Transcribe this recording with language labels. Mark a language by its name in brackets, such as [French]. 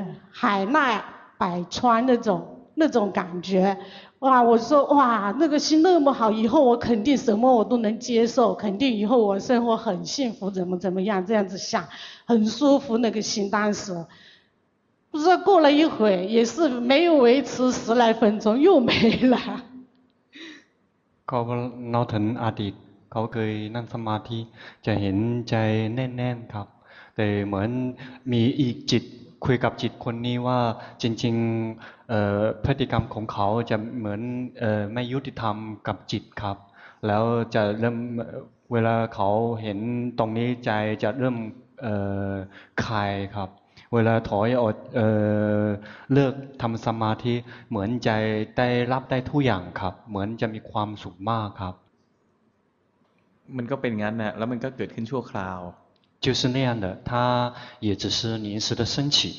[Chinese] 海纳百川那种感觉哇我说哇那个心那么好以后我肯定什么我都能接受肯定以后我生活很幸福怎么样这样子想很舒服那个心当时不知道过了一会也是没有维持十来分钟又没了 [Thai] เขาเล่าถึงอดีตเขาเคยนั่งสมาธิจะเห็นใจแน่นๆครับแต่เหมือนมีอีกจิตคุยกับจิตคนนี้ว่าจริงๆพฤติกรรมของเขาจะเหมือนไม่ยุติธรรมกับจิตครับแล้วจะเริ่มเวลาเขาเห็นตรงนี้ใจจะเริ่ม คลายครับเวลาถอยออกเลิกทำสมาธิเหมือนใจได้รับได้ทุกอย่างครับเหมือนจะมีความสุขมากครับ มันก็เป็นงั้นนะแล้วมันก็เกิดขึ้นชั่วคราว [Chinese] 就是那样的它也只是临时的升起